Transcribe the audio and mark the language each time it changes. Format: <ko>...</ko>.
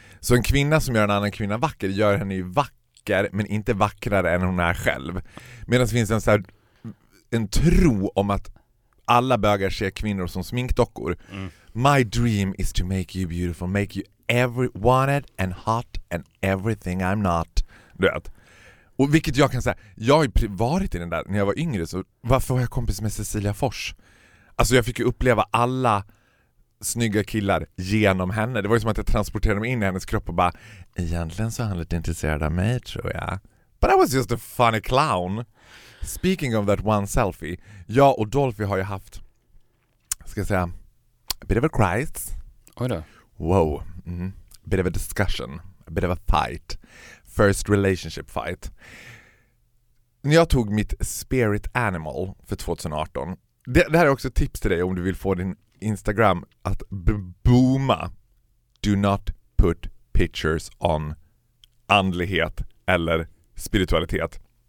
<sv>Så en kvinna som gör en annan kvinna vacker gör henne ju vacker, men inte vackrare än hon är själv. Medan det finns en så här, en tro om att alla bögar ser kvinnor som sminkdockor. Mm.</sv> <en>My dream is to make you beautiful, make you every wanted and hot and everything I'm not.</en> <sv>Du vet. Och vilket jag kan säga, jag har ju varit i den där när jag var yngre, så varför var jag kompis med Cecilia Fors? Alltså jag fick ju uppleva alla snygga killar genom henne. Det var ju som att jag transporterade mig in i hennes kropp och bara, egentligen så är han lite intresserad av mig tror jag.</sv> <en>But I was just a funny clown. Speaking of that one selfie,</en> <sv>jag och Dolphy har ju haft, ska jag säga,</sv> <en>a bit of a crisis.</en> <sv>Oj då. Wow. Mm.</sv> <en>Bit of a discussion, a bit of a fight, first relationship fight.</en> <sv>När jag tog mitt spirit animal för 2018, det här är också ett tips till dig om du vill få din Instagram att booma.</sv> <en>Do not put pictures on</en> <sv>andlighet eller spiritualitet.</sv>